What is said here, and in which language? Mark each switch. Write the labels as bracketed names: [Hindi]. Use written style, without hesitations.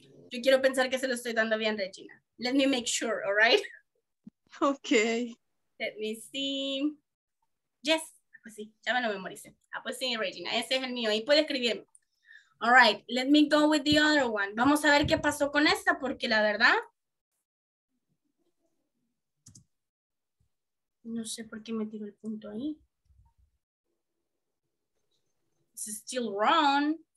[Spanish] Yo quiero pensar que se lo estoy dando bien, Regina. [English] Let me make sure, all right? Okay. Let me see. Yes, [Spanish] pues sí, ya me lo memoricé. Ah, pues sí, Regina, ese es el mío. Y puede escribirme. [English] All right, let me go with the other one. [Spanish] Vamos a ver qué pasó con esta, porque la verdad... No sé por qué me tiro el punto ahí. [English] It's still wrong.